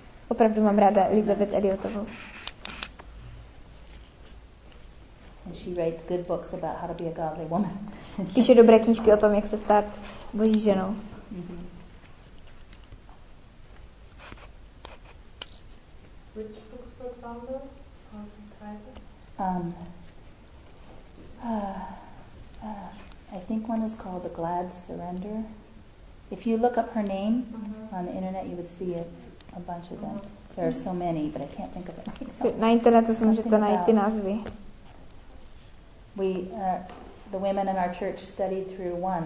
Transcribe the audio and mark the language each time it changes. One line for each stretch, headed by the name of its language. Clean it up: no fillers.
Czech: Opravdu mám ráda Elizabeth Elliotovou.
English: And she writes good books about how to be a godly woman.
Czech: Píše dobré knížky o tom, jak se stát Boží ženou.
English: Which books, for example? What's the title? I think one is called The Glad Surrender. If you look up her name on the internet, you would see a bunch of them. There are so many, but I can't think of it.
Czech: Na internetu si můžete najít ty názvy.
English: The women in our church studied through one.